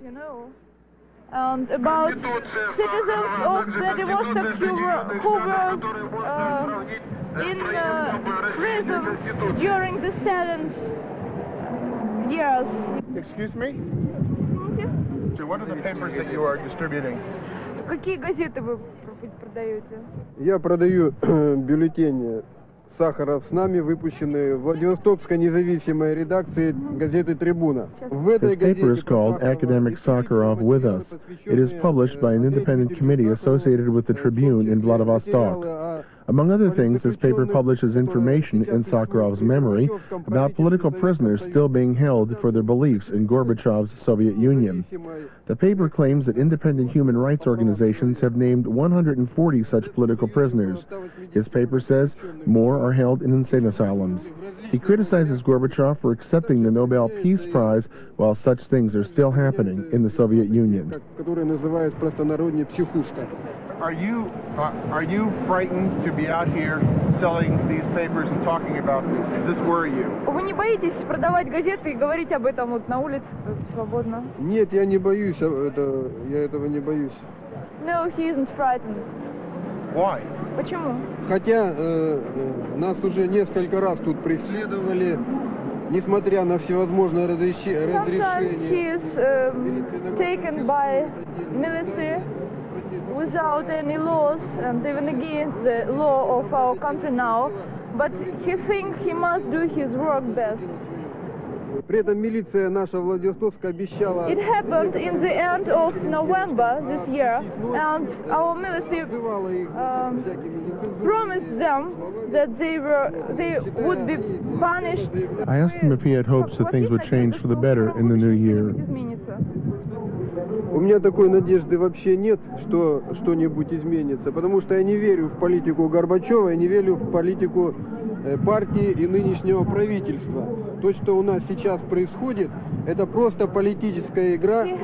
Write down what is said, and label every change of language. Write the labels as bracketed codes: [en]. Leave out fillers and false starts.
[en] And about citizens of Vladivostok who were in prisons during the Stalin's years. Excuse me? So what are the papers that you are distributing? [ru] Какие газеты вы продаете? Я продаю бюллетени Сахаров с нами, выпущенные в Владивостокской независимой редакции газеты «Трибуна». [en] This paper is called Academic Sakharov With Us. It is published by an independent committee associated with the Tribune in Vladivostok. Among other things, this paper publishes information in Sakharov's memory about political prisoners still being held for their beliefs in Gorbachev's Soviet Union. The paper claims that independent human rights organizations have named 140 such political prisoners. His paper says more are held in insane asylums. He criticizes Gorbachev for accepting the Nobel Peace Prize while such things are still happening in the Soviet Union. Are you frightened to be out here selling these papers and talking about this? Does this worry you? [ru] Вы не боитесь продавать газеты и говорить об этом вот на улице свободно? Нет, я не боюсь. Я этого не боюсь. [en] No, he isn't frightened. Why? [ru] Почему? Хотя нас уже несколько раз тут преследовали. Несмотря на всевозможные разрешения. [en] He is taken by military without any laws and even against the law of our country now. But he thinks he must do his work best. [ru] При этом милиция наша Владивостокская обещала. [en] It happened in the end of November this year, and our military promised them that they would be punished. I asked him if he had hopes that things would change for the better in the new year. [ru] У меня такой надежды вообще нет, что что-нибудь изменится, потому что я не верю в политику Горбачева, я не верю в политику партии и нынешнего правительства. То, что у нас сейчас происходит, это просто политическая игра.